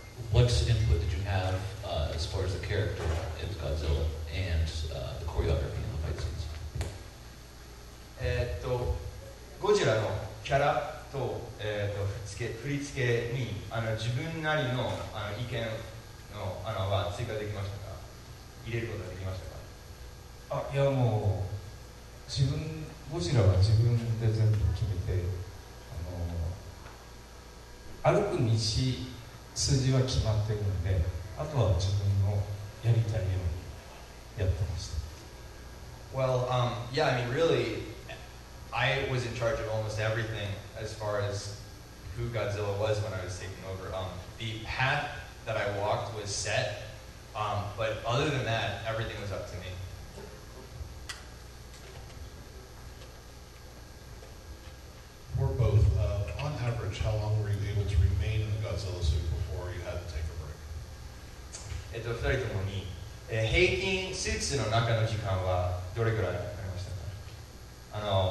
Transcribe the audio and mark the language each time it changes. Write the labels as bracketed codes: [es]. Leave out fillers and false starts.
[en] What input did you have as far as the character in Godzilla and the choreography in the fight scenes? [ja] ゴジラのキャラと、振り付けに自分なりの意見のは追加できましたか？入れることができましたか？あ、いやもう自分ゴジラは自分で全部決めて歩く道数字は決まっているのであとは自分のやりたいようにやってました。 [en] Well, yeah, I mean, really, I was in charge of almost everything as far as who Godzilla was when I was taking over. The path that I walked was set, but other than that, everything was up to me. For both, on average, how long were you able to remain in the Godzilla suit before you had to take a break? [ja] 2人ともに平均スーツの中の時間はどれくらいありましたか？